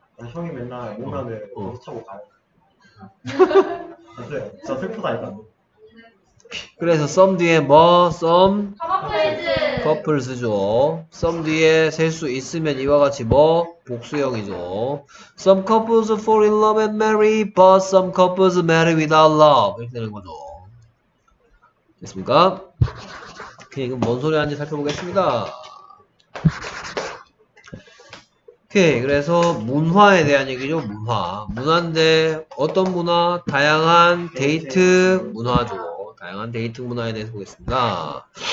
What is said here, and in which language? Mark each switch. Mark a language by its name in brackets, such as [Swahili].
[Korean] 형이 맨날 오면은 버스 타고 가. 맞아. 진짜 슬프다 일단. 그래서 썸 뒤에 뭐 썸? 커플즈. 커플즈죠. 썸 뒤에 셀 수 있으면 이와 같이 뭐 복수형이죠. [English] Some couples fall in love and marry, but some couples marry without love. [Korean] 이렇게 되는 거죠. 됐습니까? 오케이, 그럼 뭔 소리 하는지 살펴보겠습니다. 오케이, 그래서 문화에 대한 얘기죠. 문화. 문화인데 어떤 문화? 다양한 데이트 문화죠. 다양한 데이트 문화에 대해서 보겠습니다.